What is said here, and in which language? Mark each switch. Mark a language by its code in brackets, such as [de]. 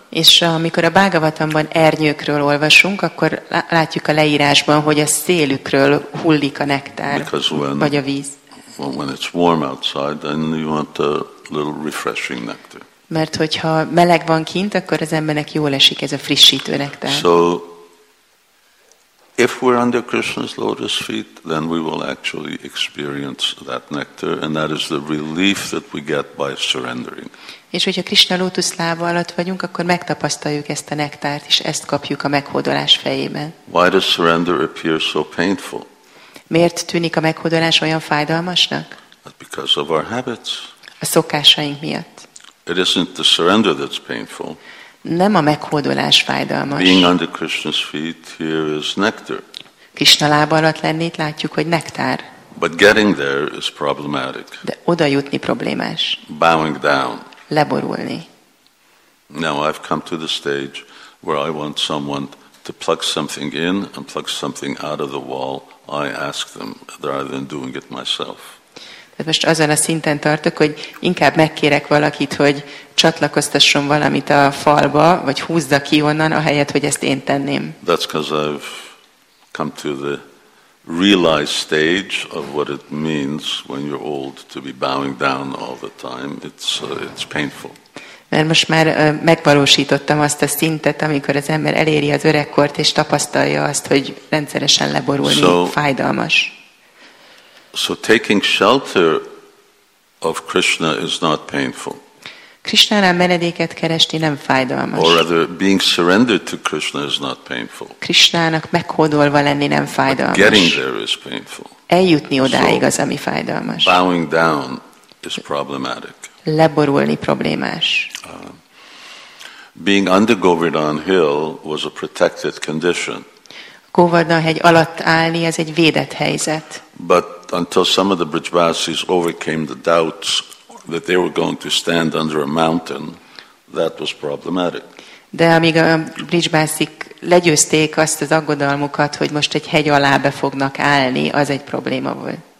[hu] És amikor a Bhagavatamban ernyőkről olvasunk, akkor látjuk a leírásban, hogy a szélükről hullik a nektár, vagy a víz. [en] When it's warm outside, then you want a little refreshing nectar. [hu] Mert hogyha meleg van kint, akkor az embernek jól esik ez a frissítő nektár. [en] So, if we're under Krishna's lotus feet, then we will actually experience that nectar, and that is the relief that we get by surrendering. [hu] És hogyha Krishna lótusz lába alatt vagyunk, akkor megtapasztaljuk ezt a nektárt, és ezt kapjuk a meghódolás fejében. [en] Why does surrender appear so painful? [hu] Miért tűnik a meghódolás olyan fájdalmasnak? [en] Because of our habits. [hu] A szokásaink miatt. [en] It isn't the surrender that's painful. [hu] Nem a meghódolás fájdalmas. [en] Being under Krishna's feet, here is nectar. [hu] Krishna lába alatt lenni, látjuk, hogy nektár. [en] But getting there is problematic. [hu] De oda jutni problémás. [en] Bowing down. [hu] Leborulni. [en] Now I've come to the stage where I want someone to plug something in and plug something out of the wall. I ask them rather than doing it myself. [hu] Tehát most azon a szinten tartok, hogy inkább megkérek valakit, hogy csatlakoztasson valamit a falba, vagy húzza ki onnan, ahelyett, hogy ezt én tenném. [en] That's because I've come to the realized stage of what it means when you're old to be bowing down all the time. It's painful. [hu] Mert most már megvalósítottam azt a szintet, amikor az ember eléri az öregkort, és tapasztalja azt, hogy rendszeresen leborulni fájdalmas. [en] So taking shelter of Krishna is not painful. [hu] Krisnánál menedéket keresni nem fájdalmas. [en] Or rather, being surrendered to Krishna is not painful. [hu] Krisnának meghódolva lenni nem fájdalmas. [en] But getting there is painful. [hu] Eljutni odáig az, ami fájdalmas. [en] Bowing down is problematic. [hu] Leborulni problémás. [en] Being under Govardhan Hill was a protected condition. [hu] Govardhan hegy alatt állni ez egy védett helyzet. [en] But until some of the Brijvasis overcame the doubts that they were going to stand under a mountain, that was problematic. [hu] De amíg a Brijvasik legyőzték azt az aggodalmukat, hogy most egy hegy alá be fognak állni, az egy probléma volt.